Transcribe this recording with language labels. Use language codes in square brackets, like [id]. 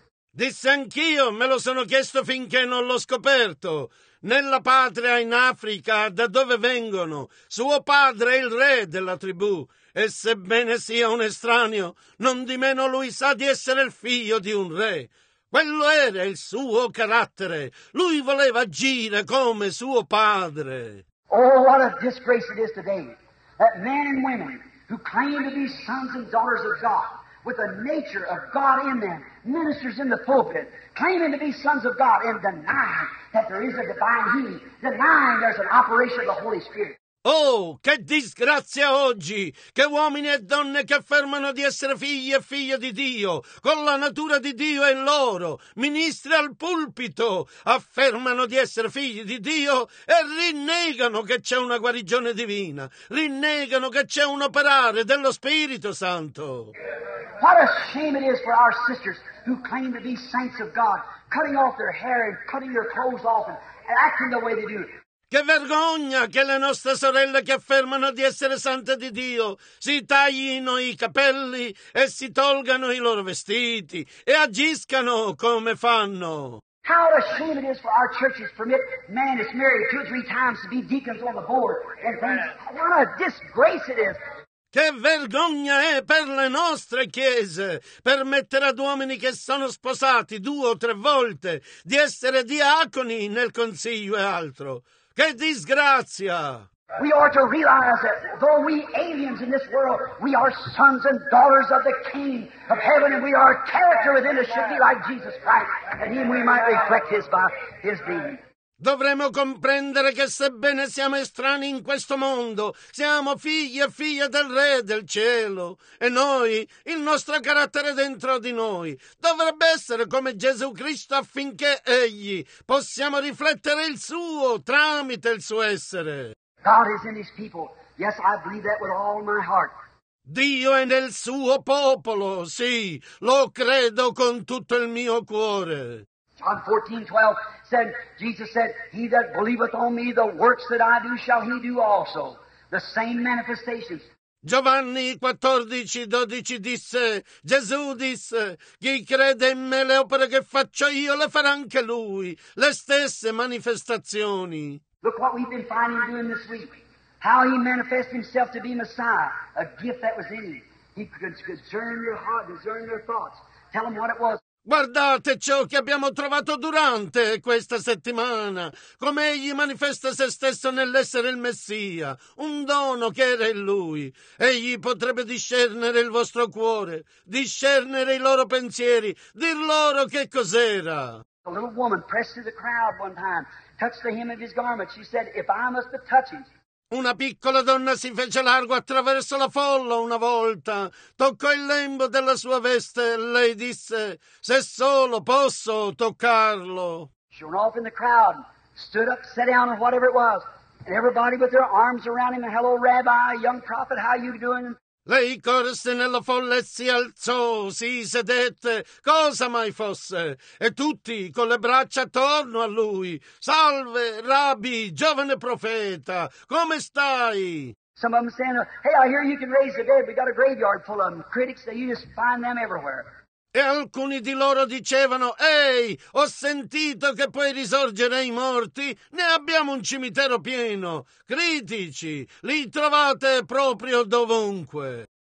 [it] Disse anch'io, me lo sono chiesto finché non l'ho scoperto. Nella patria in Africa, da dove vengono, suo padre è il re della tribù. E sebbene sia un estraneo, non di meno lui sa di essere il figlio di un re. Quello era il suo carattere. Lui voleva agire come suo padre. [en] Oh, what a disgrace it is today that men and women who claim to be sons and daughters of God with the nature of God in them ministers in the pulpit claiming to be sons of God and denying that there is a divine healing, denying there's an operation of the Holy Spirit. [it] Oh, che disgrazia oggi! Che uomini e donne che affermano di essere figli e figlie di Dio, con la natura di Dio in loro, ministri al pulpito, affermano di essere figli di Dio e rinnegano che c'è una guarigione divina, rinnegano che c'è un operare dello Spirito Santo. [en] What a shame it is for our sisters who claim to be saints of God, cutting off their hair and cutting their clothes off and acting the way they do. [it] Che vergogna che le nostre sorelle che affermano di essere sante di Dio si taglino i capelli e si tolgano i loro vestiti e agiscano come fanno. [en] How a shame it is for our churches to permit man is married two or three times to be deacons on the board. And what a disgrace it is. [it] Che vergogna è per le nostre chiese permettere ad uomini che sono sposati due o tre volte di essere diaconi nel consiglio e altro. Che disgrazia! [en] We are to realize that though we aliens in this world, we are sons and daughters of the King of Heaven, and we are a character within us should be like Jesus Christ, and in we might reflect his being. [it] Dovremmo comprendere che sebbene siamo estranei in questo mondo, siamo figli e figlie del Re del Cielo. E noi, il nostro carattere dentro di noi, dovrebbe essere come Gesù Cristo affinché Egli possiamo riflettere il Suo tramite il Suo essere. [en] God is in His people. Yes, I believe that with all my heart. [it] Dio è nel Suo popolo, sì, lo credo con tutto il mio cuore. [en] John 14:12 said, Jesus said, He that believeth on me, the works that I do shall he do also. The same manifestations. [it] Giovanni 14:12 disse, Gesù disse, Chi crede in me le opere che faccio io le farà anche lui. Le stesse manifestazioni. [en] Look what we've been finding doing this week. How he manifests himself to be Messiah. A gift that was in him. He could discern your heart, discern your thoughts. Tell them what it was. [it] Guardate ciò che abbiamo trovato durante questa settimana, come Egli manifesta se stesso nell'essere il Messia, un dono che era in Lui. Egli potrebbe discernere il vostro cuore, discernere i loro pensieri, dir loro che cos'era. [en] A little woman pressed through the crowd one time, touched the hem of his garment. She said, if I must but touch him. [it] Una piccola donna si fece largo attraverso la folla una volta, toccò il lembo della sua veste e lei disse, se solo posso toccarlo. [en] She went off in the crowd, stood up, sat down, whatever it was, and everybody with their arms around him, hello rabbi, young prophet, how you doing? [it] Lei corse nella folla e si alzò, si sedette, cosa mai fosse, e tutti con le braccia attorno a lui. Salve, rabbi, giovane profeta, come stai? [en] Some of them saying, hey, I hear you can raise the dead, we got a graveyard full of them. Critics, you just find them everywhere. [it] E alcuni di loro dicevano, ehi, ho sentito che puoi risorgere i morti, ne abbiamo un cimitero pieno. Critici, li trovate proprio dovunque.